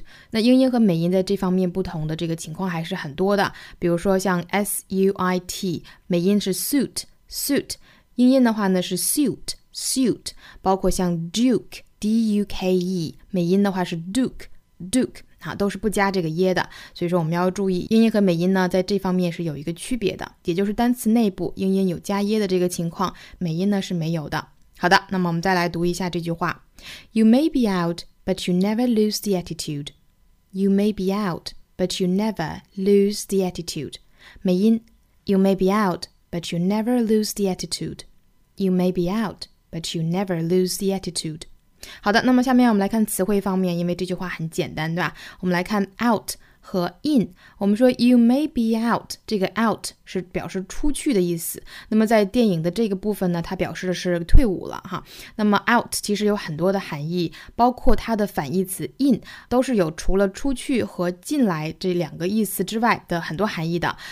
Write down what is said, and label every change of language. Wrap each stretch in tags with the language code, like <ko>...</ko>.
<zh>那英音和美音在这方面不同的这个情况还是很多的，比如说像 suit， 美音是 suit suit， 英音的话呢是 suit suit， 包括像 duke duke， 美音的话是 duke duke， 啊，都是不加这个耶的。所以说我们要注意英音和美音呢在这方面是有一个区别的，也就是单词内部英音有加耶的这个情况，美音呢是没有的。好的，那么我们再来读一下这句话。</zh> <en>You may be outBut you never lose the attitude. You may be out, but you never lose the attitude. 美音 You may be out, but you never lose the attitude. You may be out, but you never lose the attitude.</en> <zh>好的，那么下面我们来看词汇方面，因为这句话很简单，对吧？我们来看 out 和 in。我们说</zh> <en>you may be out，</en> <zh>这个 out 是表示出去的意思，那么在电影的这个部分呢它表示的是退伍了哈。那么 out 其实有很多的含义，包括它的反义词 in 都是有除了出去和进来这两个意思之外的很多含义的。</zh>